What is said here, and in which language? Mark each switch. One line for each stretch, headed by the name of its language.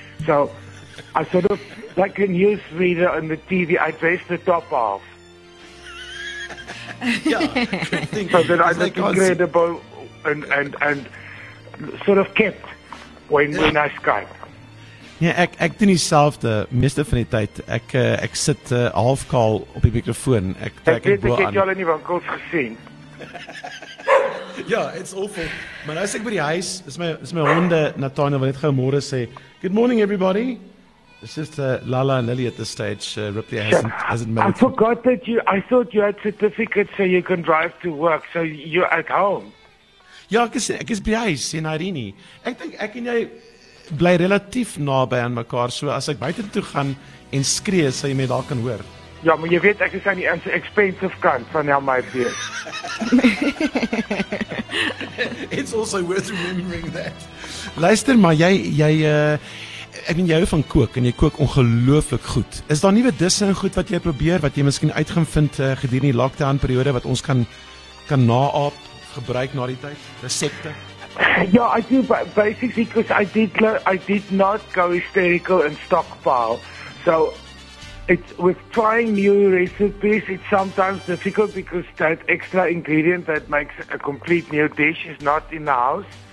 English: So I sort of, like a news reader on the TV, I dress the top off. Yeah, so that I look incredible and sort of kept when I Skype.
Afrikaans: Ja, ek doen dieselfde meeste van die tyd. Ek sit halfkaal op die mikrofoon. Ek weet, ek het jou al in die winkels gesien. Ja,
English: it's awful.
Afrikaans: Maar as ek by die huis, is my honde, Nathaniel, wat net gou môre sê,
English: good morning everybody. It's just Lala and Lily at this stage. Ripley hasn't made it. I forgot that you, I thought you had certificates so you can drive to work, so you're at home.
Afrikaans: Ja, ek is by die huis, sê Nairini. Ek dink, ek en jou bly relatief naby aan mekaar, so as ek buiten toe gaan en skree, sal jy my daar kan hoor. Ja, maar jy weet, ek is aan die expensive kant van jou my beurt.
English: It's also worth remembering that.
Afrikaans: Luister, maar jy van kook, en jy kook ongelooflik goed. Is daar nuwe disse en goed wat jy probeer, wat jy miskien uitgevind gedurende die lockdown periode, wat ons kan naap, gebruik na die tyd, resepte?
English: Ja, I do, basically, because I did not go hysterical and stockpile. So, with trying new recipes, it's sometimes difficult because that extra ingredient that makes a complete new dish is not in the house.